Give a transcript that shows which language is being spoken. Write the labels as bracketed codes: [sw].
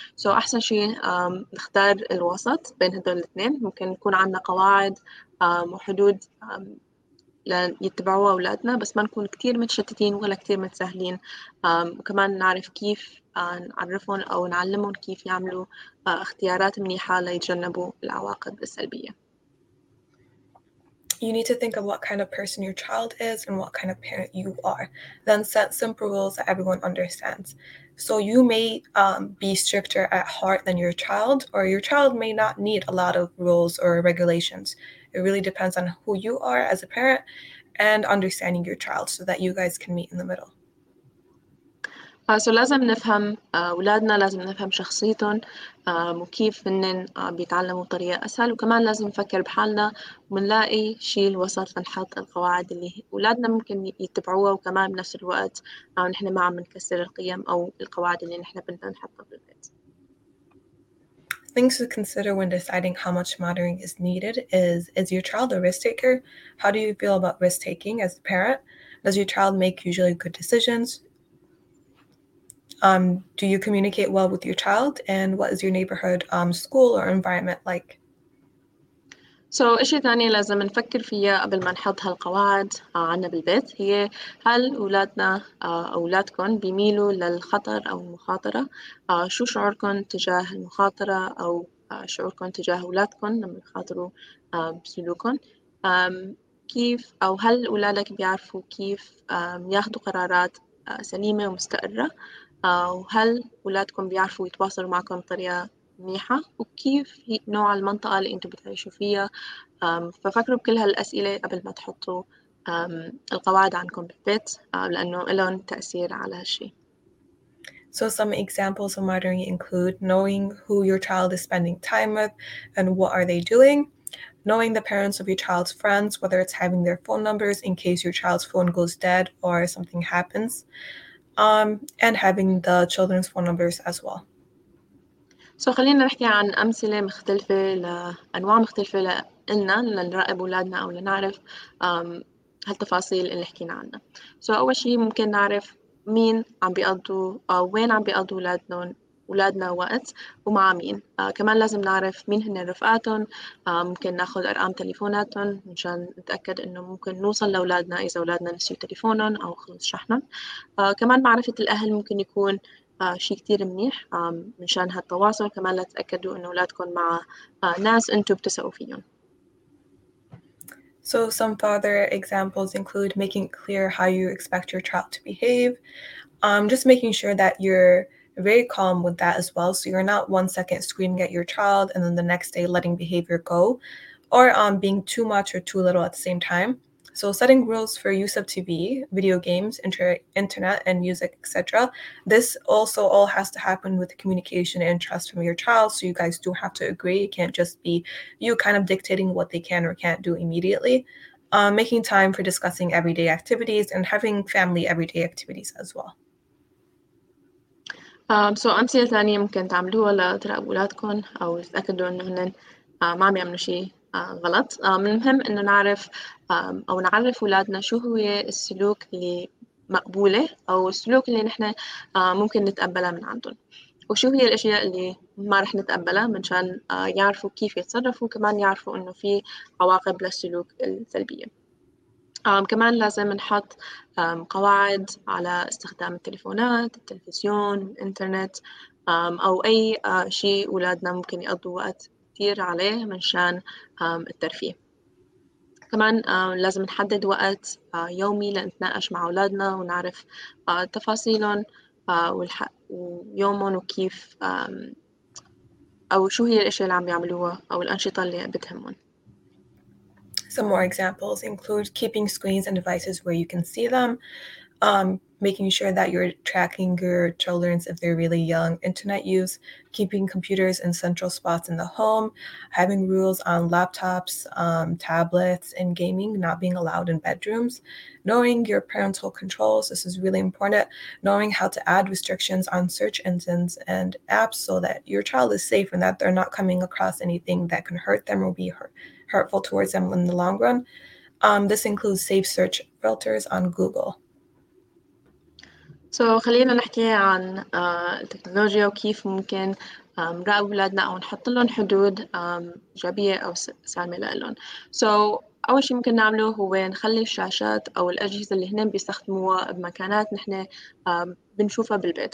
[ar] سو أحسن شيء نختار الوسط بين هدول الاثنين، ممكن يكون عندنا قواعد وحدود ليتبعوها أولادنا، بس ما نكون كتير متشتتين ولا كتير متسهلين، وكمان نعرف كيف نعرفهم أو نعلمهم كيف يعملوا اختيارات منيحة ليتجنبوا العواقب السلبية. [en] You need to think of what kind of person your child is and what kind of parent you are, then set simple rules that everyone understands. So you may be stricter at heart than your child, or your child may not need a lot of rules or regulations. It really depends on who you are as a parent and understanding your child so that you guys can meet in the middle. [ar] So لازم نفهم أولادنا، لازم نفهم شخصيتهم وكيف هنن بيتعلموا بطريقة أسهل، وكمان لازم نفكر بحالنا ونلاقي شيء الوسط لنحط القواعد اللي أولادنا ممكن يتبعوها، وكمان بنفس الوقت نحن ما عم نكسر القيم أو القواعد اللي نحن بدنا نحطها بالبيت. [en] Things to consider when deciding how much monitoring is needed is your child a risk taker? How do you feel about risk taking as a parent? Does your child make usually good decisions? Do you communicate well with your child? And what is your neighborhood school or environment like? [ar] So, إشي ثاني لازم نفكر فيها قبل ما نحط هالقواعد عنا بالبيت هي هل أولادنا أو أولادكم بيميلوا للخطر أو المخاطرة؟ شو شعوركم تجاه المخاطرة أو شعوركم تجاه أولادكم لما يخاطروا بسلوكهم؟ كيف أو هل أولادك بيعرفوا كيف ياخذوا قرارات سليمة ومستقرة؟ وهل أولادكم بيعرفوا يتواصلوا معكم بطريقة منيحة؟ وكيف نوع المنطقة اللي أنتوا بتعيشوا فيها؟ ففكروا بكل هالأسئلة قبل ما تحطوا القواعد عنكم بالبيت، لأنه لهم تأثير على هالشي. [en] So some examples of monitoring include knowing who your child is spending time with and what are they doing, knowing the parents of your child's friends, whether it's having their phone numbers in case your child's phone goes dead or something happens, and having the children's phone numbers as well. [ar] So خلينا نحكي عن أمثلة مختلفة لأنواع مختلفة لإلنا لنراقب أولادنا أو لنعرف هالتفاصيل اللي حكينا عنها. So أول شيء ممكن نعرف مين عم بيقضوا أو وين عم بيقضوا أولادنا أولادنا وقت ومع مين. كمان لازم نعرف مين هن رفقاتهم، ممكن ناخذ أرقام تليفوناتهم عشان نتأكد إنه ممكن نوصل لأولادنا إذا أولادنا نسيوا تليفونهم أو خلص شحنهم. كمان معرفة الأهل ممكن يكون شيء كتير منيح منشان هالتواصل، كمان لتتأكدوا إنه أولادكم مع ناس أنتوا بتثقوا فيهم. [en] So some further examples include making clear how you expect your child to behave, just making sure that you're very calm with that as well, so you're not 1 second screaming at your child and then the next day letting behavior go, or being too much or too little at the same time. So setting rules for use of TV, video games, internet and music, etc. This also all has to happen with the communication and trust from your child. So you guys do have to agree. It can't just be you kind of dictating what they can or can't do immediately. Making time for discussing everyday activities and having family everyday activities as well. [ar] So أمثلة ثانية ممكن تعملوها لتراقبوا أولادكم أو تتأكدوا إنه هنن ما عم يعملوا شيء غلط. من المهم إنه نعرف أو نعرف أولادنا شو هو السلوك اللي مقبولة أو السلوك اللي نحن ممكن نتقبله من عندهم، وشو هي الأشياء اللي ما رح نتقبلها منشان يعرفوا كيف يتصرفوا، كمان يعرفوا إنه في عواقب للسلوك السلبية. كمان لازم نحط قواعد على استخدام التليفونات، التلفزيون، الإنترنت، أو أي شيء أولادنا ممكن يقضوا وقت كتير عليه منشان الترفيه. كمان لازم نحدد وقت يومي لنتناقش مع أولادنا ونعرف تفاصيلهم ويومهم وكيف أو شو هي الأشياء اللي عم يعملوها أو الأنشطة اللي بتهمهم. [en] Some more examples include keeping screens and devices where you can see them, making sure that you're tracking your children's, if they're really young, internet use, keeping computers in central spots in the home, having rules on laptops, tablets, and gaming not being allowed in bedrooms, knowing your parental controls. This is really important. Knowing how to add restrictions on search engines and apps so that your child is safe and that they're not coming across anything that can hurt them or be hurtful towards them in the long run. This includes safe search filters on Google. [ar] So خلينا نحكي عن التكنولوجيا وكيف ممكن نراقب أولادنا أو نحط لهم حدود إيجابية أو سالمة لهم. So أول شيء ممكن نعمله هو نخلي الشاشات أو الأجهزة اللي هن بيستخدموها بمكانات نحن بنشوفها بالبيت.